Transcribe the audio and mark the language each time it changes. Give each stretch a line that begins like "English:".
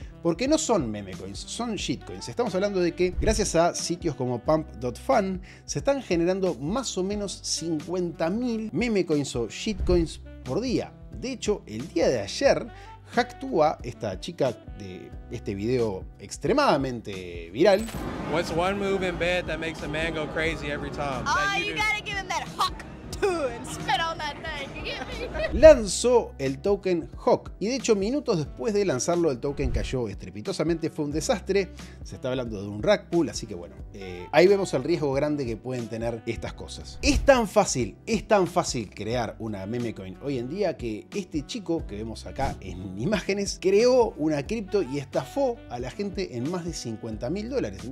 Spanish: Porque no son memecoins, son shitcoins. Estamos hablando de que gracias a sitios como pump.fun se están generando más o menos 50.000 memecoins o shitcoins por día. De hecho, el día de ayer, Hacktua, esta chica de este video extremadamente viral,
English: what's one move in bed that makes a man go crazy every time? You gotta give him that hawk too and spit on that thing.
Spanish: Lanzó el token Hawk y de hecho minutos después de lanzarlo el token cayó estrepitosamente, fue un desastre. Se está hablando de un rug pull, así que bueno, ahí vemos el riesgo grande que pueden tener estas cosas. Es tan fácil crear una meme coin hoy en día que este chico que vemos acá en imágenes creó una cripto y estafó a la gente en más de 50.000 dólares.